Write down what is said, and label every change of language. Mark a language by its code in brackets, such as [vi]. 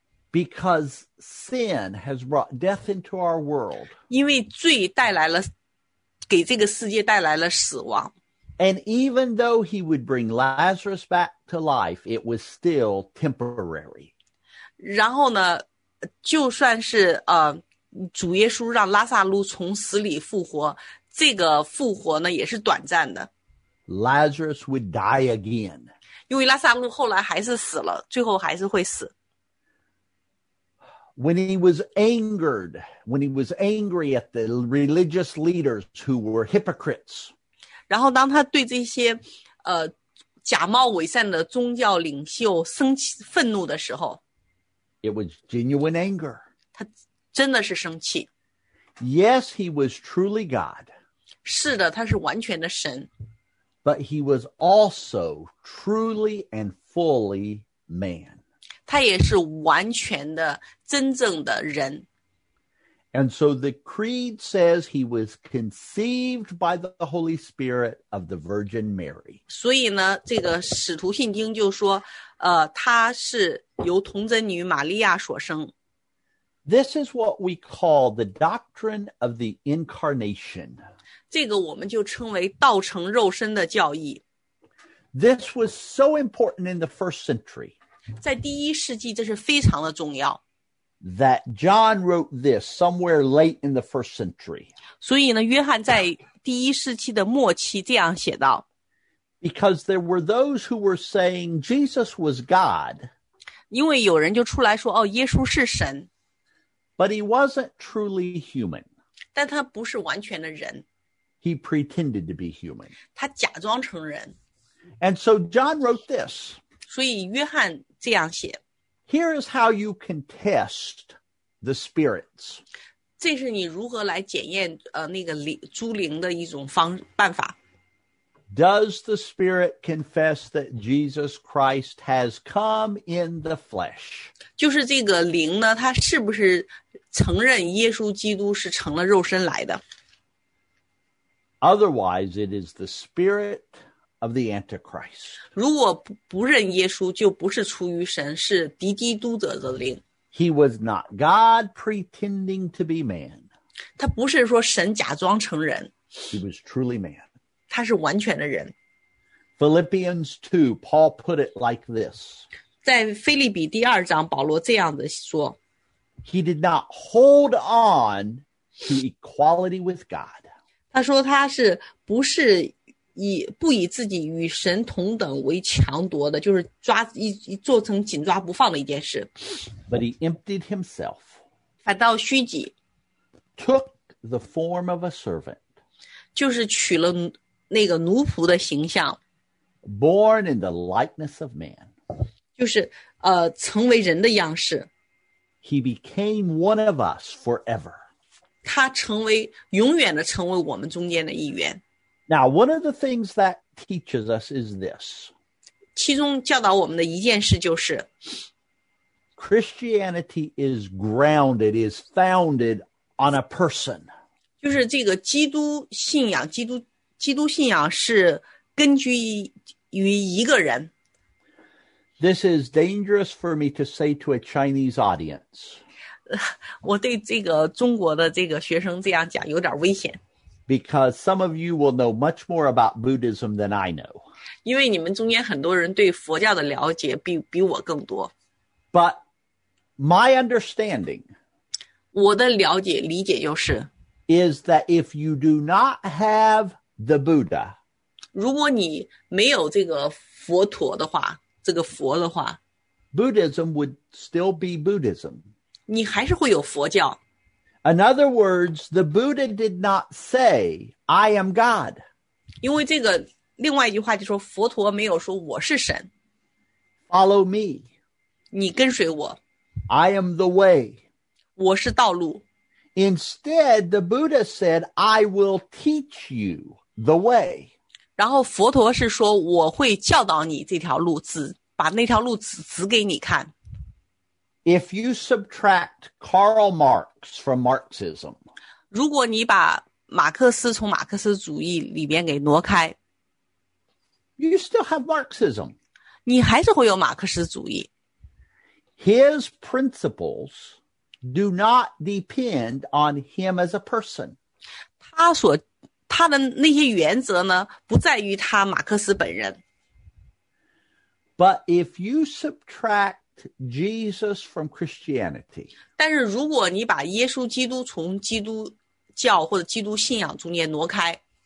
[en] Because sin has brought death into our world. [zh] 因为罪带来了，给这个世界带来了死亡。 [en] And even though he would bring Lazarus back to life, it was still temporary. [zh] 然后呢，就算是主耶稣让拉萨路从死里复活，这个复活呢也是短暂的。 [en] Lazarus would die again. [zh] 因为拉萨路后来还是死了，最后还是会死。 [en] When he was angered, when he was angry at the religious leaders who were hypocrites. [zh] 然后当他对这些假冒伪善的宗教领袖生气愤怒的时候， [en] It was genuine anger. [zh] 他真的是生气。 [en] Yes, he was truly God. [zh] 是的，他是完全的神。 [en] But he was also truly and fully man. [zh] 他也是完全的真正的人。 [en] And so the creed says he was conceived by the Holy Spirit of the Virgin Mary. [zh] 所以呢，这个使徒信经就说，他是由童贞女玛利亚所生。 [en] This is what we call the doctrine of the incarnation. [zh] 这个我们就称为道成肉身的教义。 [en] This was so important in the first century. [zh] 在第一世纪这是非常的重要。 [en] That John wrote this somewhere late in the first century. [zh] 所以呢，约翰在第一世纪的末期这样写道。 [en] Because there were those who were saying Jesus was God. [zh] 因为有人就出来说，哦，耶稣是神。 [en] But he wasn't truly human. [zh] 但他不是完全的人。 [en] He pretended to be human. [zh] 他假装成人。 [en] And so John wrote this. [zh] 所以约翰这样写。 [en] Here is how you can test the spirits. [zh] 这是你如何来检验那个诸灵的一种办法。 [en] Does the Spirit confess that Jesus Christ has come in the flesh? [zh] 就是这个灵呢，他是不是承认耶稣基督是成了肉身来的？ [en] Otherwise, it is the Spirit of the Antichrist. [zh] 如果不认耶稣，就不是出于神，是敌基督者的灵。 [en] He was not God pretending to be man. [zh] 他不是说神假装成人。 [en] He was truly man. [zh] 他是完全的人。 [en] Philippians 2, Paul put it like this. [zh] 在腓立比第二章，保罗这样的说。 [en] He did not hold on to equality with God. [zh] 他说他是不是以不以自己与神同等为强夺的，就是抓一做成紧抓不放的一件事。 [en] But he emptied himself. [zh] 反倒虚己。 [en] Took the form of a servant. [zh] 就是取了那个奴仆的形象 [en] ，born in the likeness of man， [zh] 就是成为人的样式。 [en] He became one of us forever。 [zh] 他成为永远的成为我们中间的一员。 [en] Now, one of the things that teaches us is this。 [zh] 其中教导我们的一件事就是 [en] ，Christianity is grounded, is founded on a person。 [zh] 就是这个基督信仰，基督信仰是根据于一个人。 [en] This is dangerous for me to say to a Chinese audience. [zh] 我对这个中国的这个学生这样讲有点危险。 [en] Because some of you will know much more about Buddhism than I know. [zh] 因为你们中间很多人对佛教的了解比我更多。 [en] But my understanding. [zh] 我的理解就是。 [en] Is that if you do not have the Buddha. [zh] 如果你没有这个佛陀的话，这个佛的话， [en] Buddhism would still be Buddhism. [zh] 你还是会有佛教。 [en] In other words, the Buddha did not say, I am God. [zh] 因为这个另外一句话就说佛陀没有说我是神。 [en] Follow me. [zh] 你跟随我。 [en] I am the way. [zh] 我是道路。 [en] Instead, the Buddha said, I will teach you the way. [zh] 然后佛陀是说我会教导你这条路，把那条路指给你看。 [en] If you subtract Karl Marx from Marxism, [zh] 如果你把马克思从马克思主义里边给挪开， [en] you still have Marxism. [zh] 你还是会有马克思主义。 [en] His principles do not depend on him as a person. [zh] 他的那些原则呢，不在于他马克思本人。 [en] But if you subtract Jesus from Christianity, [zh] 但是如果你把耶稣基督从基督教或者基督信仰中间挪开，